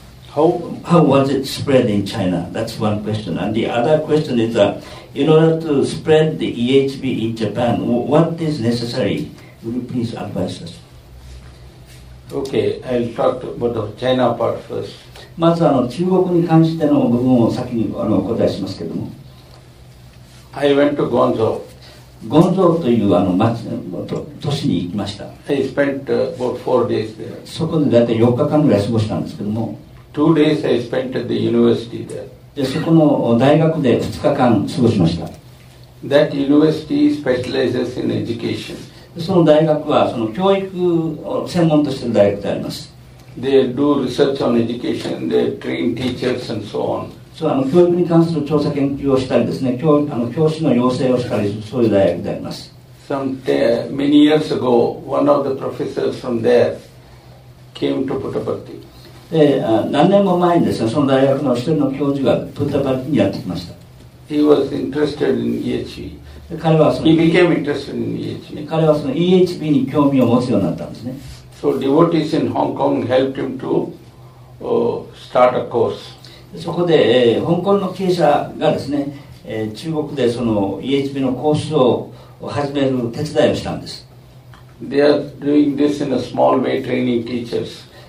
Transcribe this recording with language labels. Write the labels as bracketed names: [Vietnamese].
[English] How was it spread in China? That's one question. And the other question is that in order to spread the EHB in Japan, what is necessary? Would you please advise us? Okay, I'll talk about the China part first. [Japanese] まず中国に関しての部分を先にお答えしますけども。 [English] I went to Guangzhou. [Japanese] Guangzhou という都市に行きました。 [English] I spent about 4 days there. [Japanese] そこでだいたい4日間ぐらい過ごしたんですけども。 [English] Two days I spent at the university there. [Japanese] でそこの大学で2日間過ごしました。 [English] That university specializes in education. [Japanese] その大学はその教育を専門としている大学であります。 [English] They do research on education. They train teachers and so on. [Japanese] そう、教育に関する調査研究をしたりですね、教師の養成をしたりする、そういう大学であります。 [English] Many years ago, one of the professors from there came to Puttaparthi. [Japanese] で何年も前にですね、その大学の一人の教授がプッタパルティにやってきました。 [English] He was interested in EHB. [Japanese] 彼はその [English] He became interested in EHB. [Japanese] 彼はその EHB に興味を持つようになったんですね。 [English] So devotees in Hong Kong helped him to start a course. [Japanese] そこで、香港の経営者がですね、中国でその EHB のコースを始める手伝いをしたんです。 [English] They are doing this in a small way training teachers.